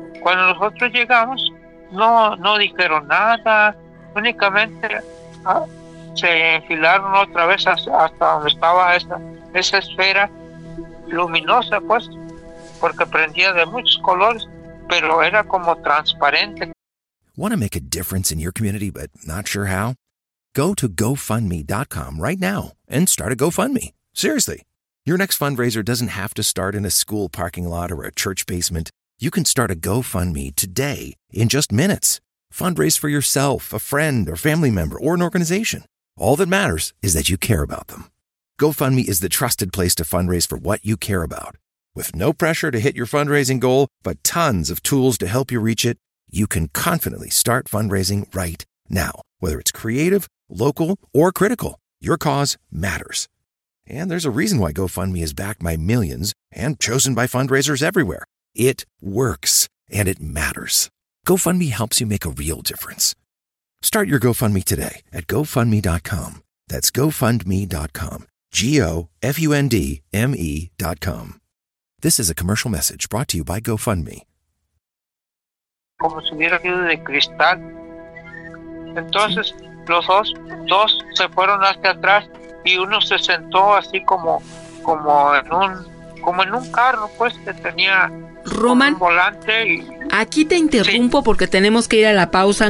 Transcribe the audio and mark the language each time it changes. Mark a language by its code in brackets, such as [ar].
[es] Cuando nosotros llegamos, no dijeron nada, únicamente se enfilaron otra vez hasta donde estaba esa esfera luminosa, pues. porque prendía de muchos colores, pero era como transparente. [en] Want to make a difference in your community but not sure how? Go to GoFundMe.com right now and start a GoFundMe. Seriously. Your next fundraiser doesn't have to start in a school parking lot or a church basement. You can start a GoFundMe today in just minutes. Fundraise for yourself, a friend, or family member, or an organization. All that matters is that you care about them. GoFundMe is the trusted place to fundraise for what you care about. With no pressure to hit your fundraising goal, but tons of tools to help you reach it, you can confidently start fundraising right now. Whether it's creative, local, or critical, your cause matters. And there's a reason why GoFundMe is backed by millions and chosen by fundraisers everywhere. It works, and it matters. GoFundMe helps you make a real difference. Start your GoFundMe today at GoFundMe.com. That's GoFundMe.com. GoFundMe.com. This is a commercial message brought to you by GoFundMe. [es] Como si hubiera sido de cristal. Entonces los dos se fueron hacia atrás y uno se sentó así como en un carro, pues, que tenía Roman, un volante y... Aquí te interrumpo, sí, porque tenemos que ir a la pausa.